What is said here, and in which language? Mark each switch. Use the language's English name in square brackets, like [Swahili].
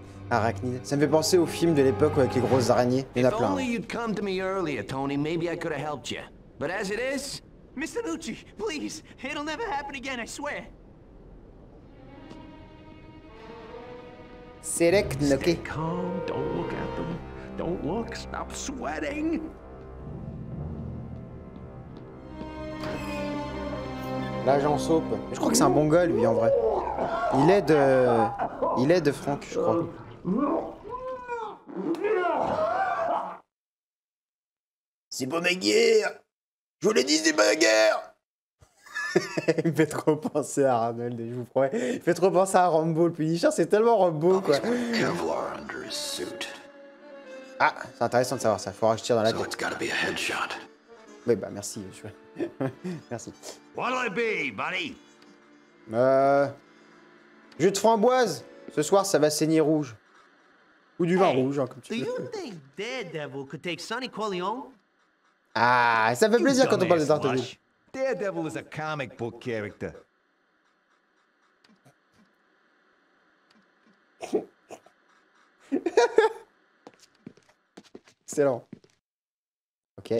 [French] Arachnide, ça me fait penser au film de l'époque avec les grosses araignées. Il y en a plein. [English] If only you'd come to me earlier, Tony, maybe I could have helped you. But as it is, Mr. Nucci, please, it'll never happen again, I swear. Serek Nucci. Stay calm, don't look at them. Don't look, stop sweating. [French] L'agent Soap. Je crois que c'est un bon gars, lui, en vrai. Il aide Franck, je crois. C'est pas ma guerre. Je vous l'ai dit, c'est pas ma guerre. Il fait trop penser à Arnold, je vous promets. Il fait trop penser à Rambo, le Punisher. C'est tellement Rambo, quoi. Ah, c'est intéressant de savoir ça. Faudra que je tire dans la tête. Oui, bah merci, je... Merci. [English] What'll it be, buddy? [French] Jus de framboise. Ce soir, ça va saigner rouge. Ou du vin rouge, hein, comme tu veux. [English] Do you think Daredevil could take Sonny Corleone? [French] Ah, ça fait plaisir quand on parle de Daredevil. [English] Daredevil is a comic book character. Excellent. Okay.